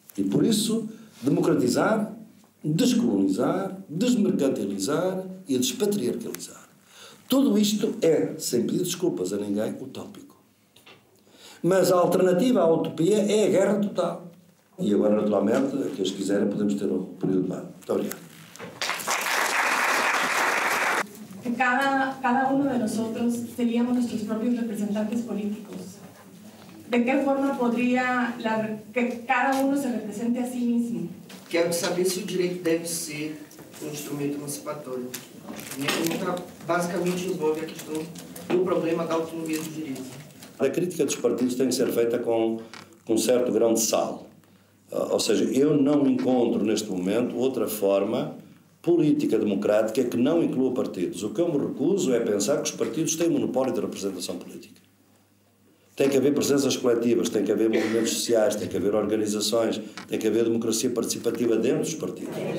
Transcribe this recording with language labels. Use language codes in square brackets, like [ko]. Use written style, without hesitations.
[pt] E por isso, democratizar, descolonizar, desmercantilizar e despatriarcalizar. Tudo isto é, sem pedir desculpas a ninguém, utópico. Mas a alternativa à utopia é a guerra total. E agora, naturalmente, a que as quiserem, podemos ter um período de barro. Muito obrigado. [es] Cada uno de nosotros seríamos nuestros propios representantes políticos. ¿De qué forma podría que cada uno se represente a sí mismo? Quiero saber si el derecho debe ser un instrumento emancipatorio. Mi pregunta básicamente [pt] envolve [es] la cuestión del problema de la autonomía del derecho. La crítica de los partidos tiene que ser [pt] feita [es] con un cierto [pt] grão [es] de sal. [pt] Ou seja, eu não encontro neste momento outra forma política democrática que não inclua partidos. O que eu me recuso é pensar que os partidos têm monopólio de representação política. Tem que haver presenças coletivas, tem que haver movimentos sociais, tem que haver organizações, tem que haver democracia participativa dentro dos partidos.